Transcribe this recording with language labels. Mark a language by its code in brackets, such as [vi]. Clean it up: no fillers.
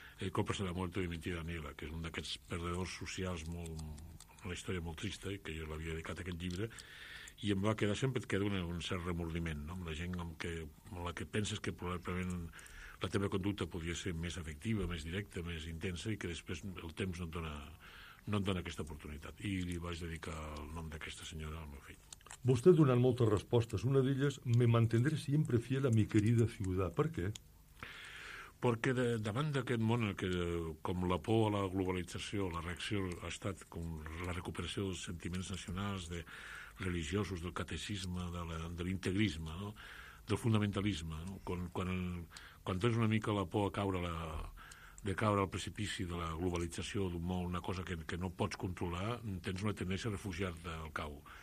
[ca] Copes de la Muerte y Mentira Nila, que és un d'aquests perdedors socials molt, una història molt trista, que jo l'havia dedicat a aquest llibre, i em va quedar, sempre et queda un cert remordiment, no?, amb la gent amb la que penses que probablement la teva conducta podria ser més efectiva, més directa, més intensa, i que després el temps no et dona aquesta oportunitat. I li vaig dedicar el nom d'aquesta senyora al meu fill. Vostè ha donat moltes respostes. Una d'elles, [es] me mantendré siempre fiel a mi querida ciudad. [ca] Per què? Perquè davant d'aquest món, que com la por a la globalització, la reacció ha estat com la recuperació dels sentiments nacionals, de religiosos, del catecisme, de l'integrisme, no?, del fundamentalisme, no?, quan tens una mica la por a caure al precipici de la globalització d'un món, una cosa que no pots controlar, tens una tendència a refugiar-te al cau.